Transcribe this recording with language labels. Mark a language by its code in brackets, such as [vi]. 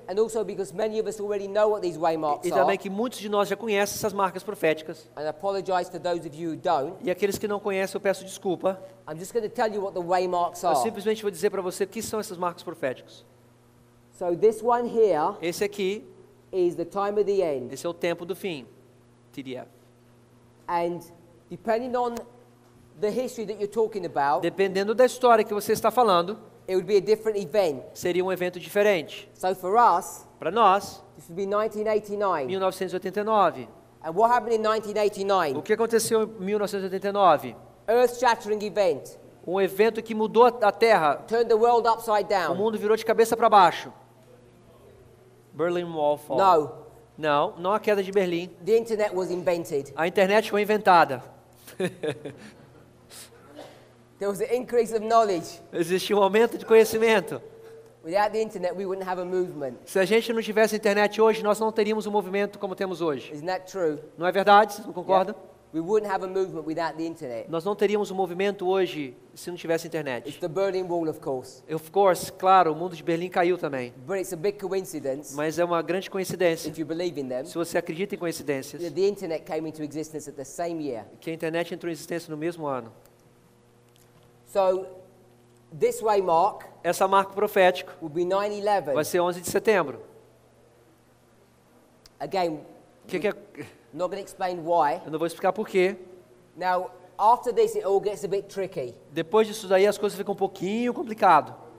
[en] And also because many of us already know what these waymarks are. [pt] E também que muitos de nós já conhecem essas marcas proféticas. [en] And I apologize to those of you who don't. [pt] E aqueles que não conhecem, eu peço desculpa. [en] I'm just going to tell you what the waymarks are. [pt] Eu simplesmente vou dizer para você o que são essas marcas proféticas. [en] So this one here. [pt] Esse aqui. [en] Is the time of the end. [pt] Esse é o tempo do fim. TDF. [en] And depending on the history that you're talking about. [pt] Dependendo da história que você está falando. [en] It would be a different event. [pt] Seria um evento diferente. [en] So for us, [pt] para nós, [en] this would be 1989. [pt] 1989. [en] And what happened in 1989? [pt] O que aconteceu em 1989? [en] Earth-shattering event. [pt] Um evento que mudou a Terra. [en] Turned the world upside down. [pt] O mundo virou de cabeça para baixo. [en] Berlin Wall fall. No. [pt] Não, não a queda de Berlim. [en] The internet was invented. [pt] A internet foi inventada. [en] There was an increase of knowledge. [pt] Existia um aumento de conhecimento. [en] Without the internet, we wouldn't have a movement. [pt] Se a gente não tivesse internet hoje, nós não teríamos um movimento como temos hoje. [en] Isn't that true? [pt] Não é verdade? Vocês não concordam? [en] Yeah. We wouldn't have a movement without the internet. [pt] Nós não teríamos um movimento hoje se não tivesse internet. [en] It's the Berlin Wall, of course. Of course, [pt] claro, o mundo de Berlim caiu também. [en] But it's a big coincidence. [pt] Mas é uma grande coincidência. [en] If you believe in them. [pt] Se você acredita em coincidências. [en] The internet came into existence at the same year. [pt] Que a internet entrou em existência no mesmo ano. [en] So, this way mark, [pt] essa marca profética [en] will be 9/11. [pt] Vai ser 11 de setembro. [en] Again, [pt] que é? [en] Not gonna explain why. [pt] Eu não vou explicar por quê. [en] Now, after this, it all gets a bit tricky. [pt] Depois disso daí, as coisas ficam um pouquinho complicado.